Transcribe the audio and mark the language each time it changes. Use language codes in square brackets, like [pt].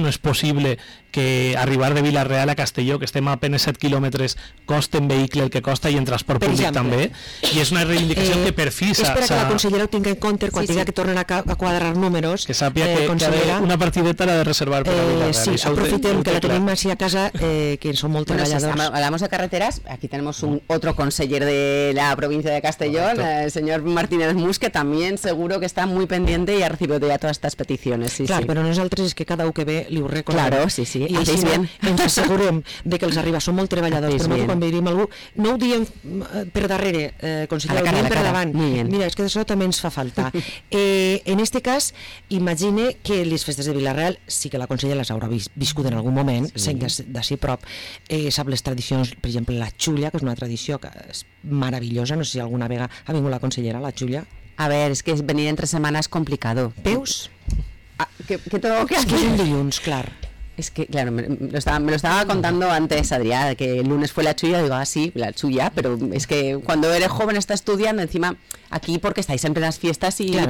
[ca] No és possible que arribar de Villarreal a Castelló, que estem a apenas 7 quilòmetres, costa en vehicle el que costa, i en transport públic també. I és una reivindicació que per fi s'ha... Espera que la consellera ho tingui en compte quan diga que tornen a quadrar números. Que sàpiga que una partideta l'ha de reservar per a Villarreal. Sí, aprofitem que la tenim així a casa, que són molt treballadors. [es] Bueno, si hablamos de carreteras, aquí tenemos un otro conseller de la provincia de Castelló, el señor Martínez Mus, que también seguro que está muy pendiente y ha recibido ya todas estas peticiones. peticiones, sí, claro, sí. [ca] Però nosaltres és que cada u que ve li ho recorda. [es] Claro, sí, sí, [ca] i així bien. Ens assegurem de que els arriba, són molt treballadors, però quan veiem algú, no ho diem per darrere, conseller, ho diem per davant. Mira, és que això també ens fa falta. En este cas, imagine que les festes de Vila-real, sí que la consellera les haurà viscut en algun moment, sí. Sent que d'ací a prop sap les tradicions, per exemple, la xulla, que és una tradició que és maravillosa, no sé si alguna vega ha vingut la consellera, la xulla. [es] A ver, es que venir entre semanas es complicado. ¿Peus? ¿Qué tengo que hacer? Es que es un dilluns, claro. Es que, claro, me lo estaba contando antes, Adrià, que el lunes fue la chulla. Digo, ah, sí, la chulla, pero es que cuando eres joven está estudiando, encima aquí porque estáis siempre en las fiestas, y, claro.